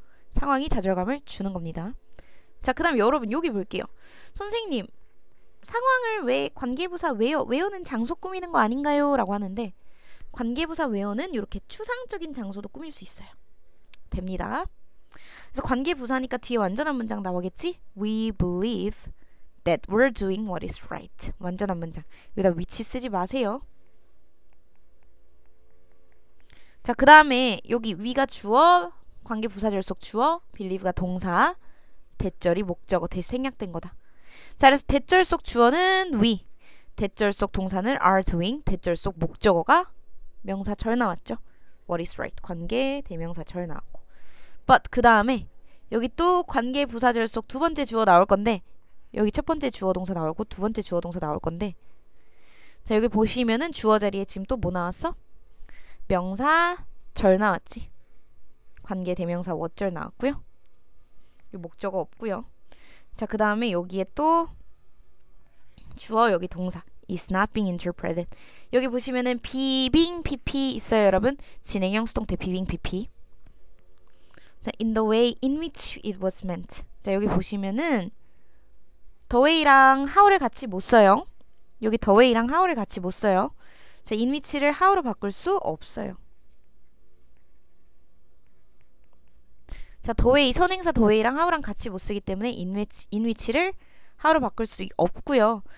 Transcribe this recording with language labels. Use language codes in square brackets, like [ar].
[ko] 상황이 좌절감을 주는 겁니다. 자, 그 다음 여러분 여기 볼게요. 선생님, 상황을 왜 관계부사 where, where는 장소 꾸미는 거 아닌가요? 라고 하는데 관계부사 where는 이렇게 추상적인 장소도 꾸밀 수 있어요. 됩니다. 그래서 관계부사니까 뒤에 완전한 문장 나오겠지? [en] We believe that we're doing what is right. [ko] 완전한 문장. 여기다 위치 쓰지 마세요. 자, 그 다음에 여기 위가 주어, 관계 부사절 속 주어, believe가 동사, 대절이 목적어, 대 생략된 거다. 자, 그래서 대절 속 주어는 we, 대절 속 동사는 are doing, 대절 속 목적어가 명사절 나왔죠. [en] What is right? [ko] 관계 대명사절 나왔고. But 그 다음에 여기 또 관계 부사절 속 두 번째 주어 나올 건데 여기 첫 번째 주어 동사 나오고 두 번째 주어 동사 나올 건데 자 여기 보시면은 주어 자리에 지금 또 뭐 나왔어? 명사 절 나왔지. 관계 대명사 what절 나왔고요. 여기 목적어 없고요. 자 그 다음에 여기에 또 주어 여기 동사 [en] is not being interpreted. [ko] 여기 보시면은 be being pp 있어요 여러분. 진행형 수동태 [en] be being pp. 자 in the way in which it was meant. [ko] 자 여기 보시면은 the way랑 how를 같이 못 써요. 여기 the way랑 how를 같이 못 써요. 자 in which를 how로 바꿀 수 없어요. 자 the way 선행사 the way랑 how랑 같이 못 쓰기 때문에 in which를 how로 바꿀 수 없고요.